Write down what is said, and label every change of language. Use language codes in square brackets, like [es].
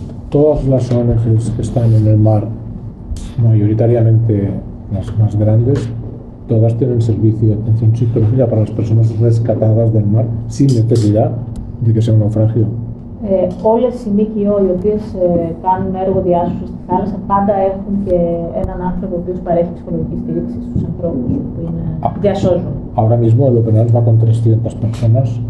[es] Todas las ONGs que están en el mar, mayoritariamente las más grandes, todas tienen servicio de atención psicológica para las personas rescatadas del mar sin necesidad de que sea un naufragio. [el] Όλες οι ΜΚΟ οι οποίες κάνουν έργο διάσωσης στη θάλασσα πάντα έχουν και έναν άνθρωπο ο οποίος παρέχει ψυχολογική στήριξη στους ανθρώπους που είναι διασώζουν. [es] Ahora mismo el Open Arms va con 300 personas.